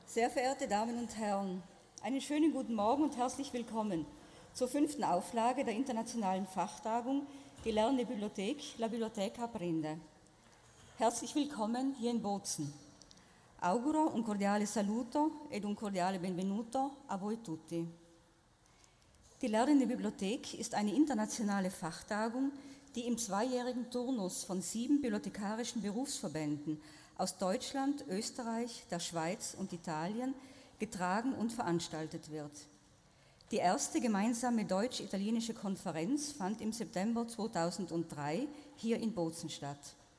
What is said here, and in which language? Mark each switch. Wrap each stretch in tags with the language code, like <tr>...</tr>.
<de>Sehr verehrte Damen und Herren, einen schönen guten Morgen und herzlich willkommen zur fünften Auflage der internationalen Fachtagung Die Lernende Bibliothek, La Biblioteca Aprende. Herzlich willkommen hier in Bozen.</de> <it>Auguro un cordiale saluto ed un cordiale benvenuto a voi tutti.</it> <de>Die Lernende Bibliothek ist eine internationale Fachtagung, die im zweijährigen Turnus von 7 bibliothekarischen Berufsverbänden aus Deutschland, Österreich, der Schweiz und Italien getragen und veranstaltet wird. Die erste gemeinsame deutsch-italienische Konferenz fand im September 2003 hier in Bozen statt.</de>